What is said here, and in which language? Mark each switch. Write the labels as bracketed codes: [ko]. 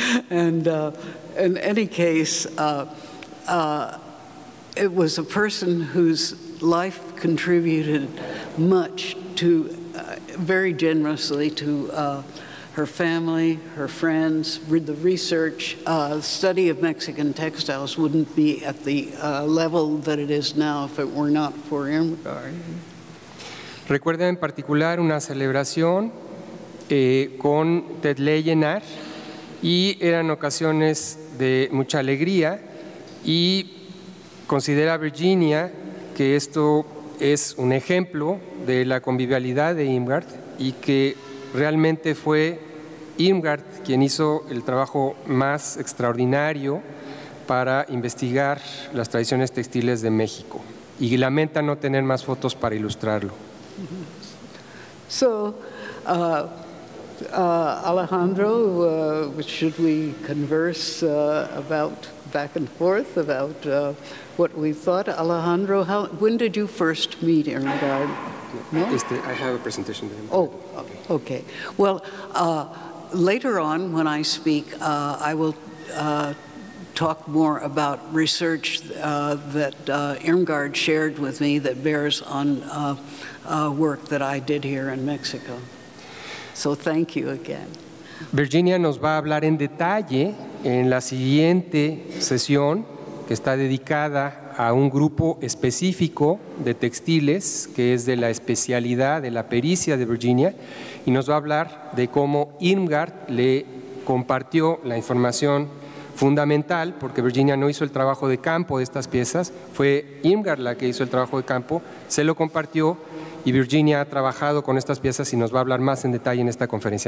[en] And in any case, it was a person whose life contributed much to, very generously to her family, her friends. The research, study of Mexican textiles wouldn't be at the level that it is now if it were not for Irmgard. [es] Recuerda en particular una celebración con Tetlé Llenar, y eran ocasiones de mucha alegría, y considera Virginia que esto es un ejemplo de la convivialidad de Irmgard, y que realmente fue Irmgard quien hizo el trabajo más extraordinario para investigar las tradiciones textiles de México, y lamenta no tener más fotos para ilustrarlo. [en] So, Alejandro, should we converse about back and forth about what we thought? Alejandro, how, when did you first meet Irmgard? No? I have a presentation to him. Oh, okay. Well, later on when I speak, I will talk more about research that Irmgard shared with me that bears on work that I did here in Mexico. So thank you again. [es] Virginia nos va a hablar en detalle en la siguiente sesión, que está dedicada a un grupo específico de textiles, que es de la especialidad de la pericia de Virginia, y nos va a hablar de cómo Irmgard le compartió la información fundamental, porque Virginia no hizo el trabajo de campo de estas piezas, fue Irmgard la que hizo el trabajo de campo, se lo compartió, y Virginia ha trabajado con estas piezas y nos va a hablar más en detalle en esta conferencia.